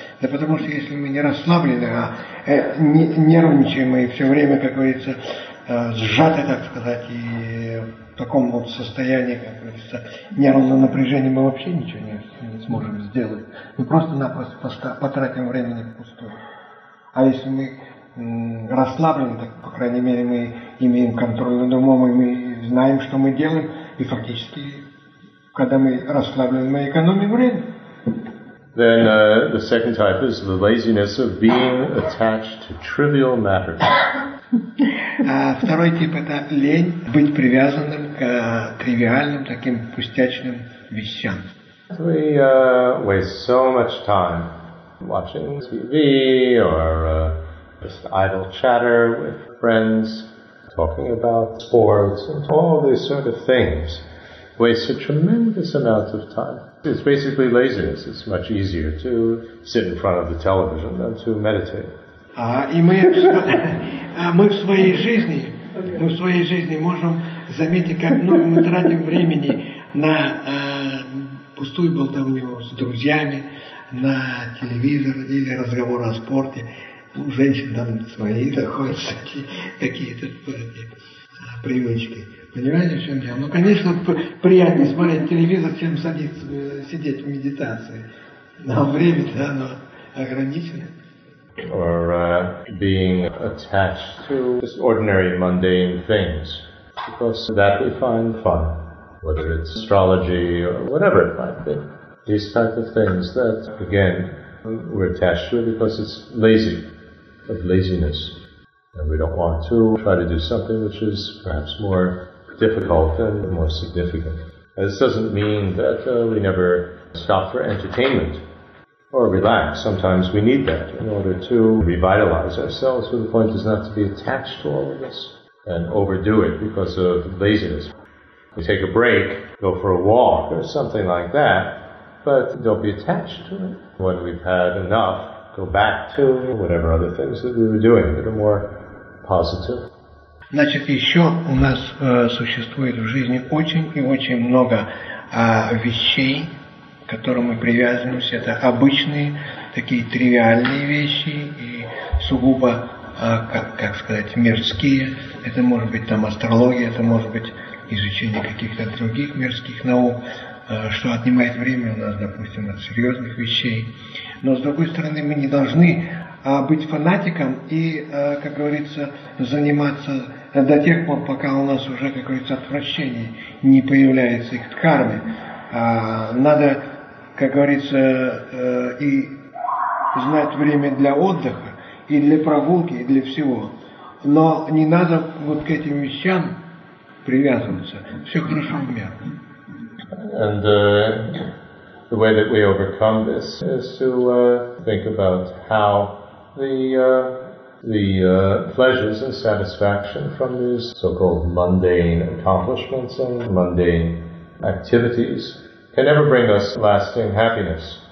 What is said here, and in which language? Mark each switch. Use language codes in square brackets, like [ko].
[ru] Да потому что если мы не расслаблены, а нервничаем и все время, как говорится, сжаты, так сказать, и в таком вот состоянии, как говорится, нервного напряжения, мы вообще ничего не сможем сделать. Мы просто-напросто потратим время на пустое. А если мы расслаблены, так, по крайней мере, мы имеем контроль над умом, и мы знаем, что мы делаем, и фактически, когда мы расслаблены, мы экономим время. [en] Then the second type is the laziness of being attached to trivial matters. [ru] Второй тип – это лень быть привязанным к тривиальным, таким пустячным вещам. [en] We waste so much time watching TV or just idle chatter with friends, talking about sports and all these sort of things. Waste a tremendous amount of time. It's basically laziness. It's much easier to sit in front of the television than to meditate. [ru] И мы в своей жизни можем заметить, как много мы тратим времени на пустую болтовню с друзьями, на телевизор или разговор о спорте. у женщин, да, свои такие, какие-то привычки. Понимаете, в чем дело? Ну, конечно, приятнее смотреть телевизор, чем сидеть в медитации. Но время-то, оно ограничено. [en] Or being attached to just ordinary mundane things, because that we find fun, whether it's astrology or whatever it might be. These type of things that, again, we're attached to because it's lazy, of laziness. And we don't want to try to do something which is perhaps more difficult and more significant. And this doesn't mean that we never stop for entertainment. Or relax. Sometimes we need that in order to revitalize ourselves. So the point is not to be attached to all of this and overdo it because of laziness. We take a break, go for a walk or something like that, but don't be attached to it. When we've had enough, go back to whatever other things that we were doing that are more positive. [ru] Значит, еще у нас существует в жизни очень и очень много вещей, к которым мы привязываемся, это обычные, такие тривиальные вещи и сугубо, мирские. Это может быть там астрология, это может быть изучение каких-то других мирских наук, что отнимает время у нас, допустим, от серьезных вещей. Но, с другой стороны, мы не должны быть фанатиком и, как говорится, заниматься до тех пор, пока у нас уже, как говорится, отвращение не появляется, их кармы. Надо, как говорится, и знать время для отдыха, и для прогулки, и для всего. Но не надо вот к этим вещам привязываться. Все хорошо в меру. [en] And the way that we overcome this is to think about how the pleasures and satisfaction from these so-called mundane accomplishments and mundane activities can never bring us lasting happiness.